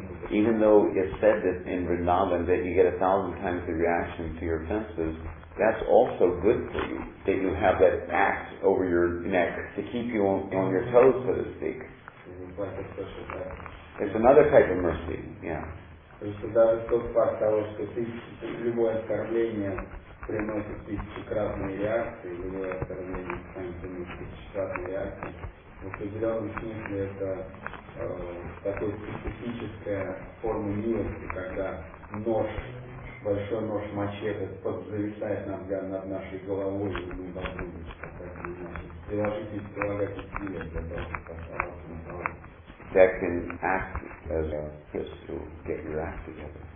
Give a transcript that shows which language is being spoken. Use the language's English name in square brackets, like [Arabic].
[English] Even though it's said that in Vrindavan that you get 1,000 times the reaction to your offenses, that's also good for you, that you have that axe over your neck to keep you on your toes, so to speak. Mm-hmm. like a special type. It's another type of mercy, yeah. [Russian] Просто даже тот факт того, что ты любое оскорбление приносит тысячекратные реакции, любое оскорбление станет тысячекратной реакцией, в определенном смысле это такая специфическая форма милости, когда нож, большой нож мачете подзависает над нашей головой, и мы должны приложить и прилагать усилия для того, чтобы поставить на голову. [English] That can act as a kiss to get your act together.